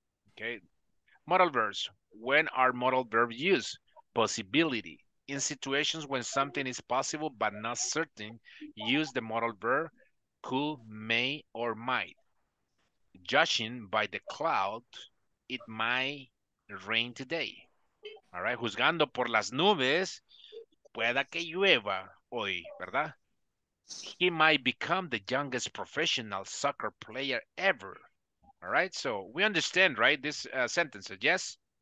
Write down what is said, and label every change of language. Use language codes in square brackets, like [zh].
[en] Okay. Modal verbs. When are modal verbs used? Possibility. In situations when something is possible but not certain, use the modal verb could, may, or might. Judging by the cloud, it might rain today. All right. [es] Juzgando por las nubes, pueda que llueva hoy, ¿verdad? [en] He might become the youngest professional soccer player ever. All right, so we understand, right, this sentence, yes?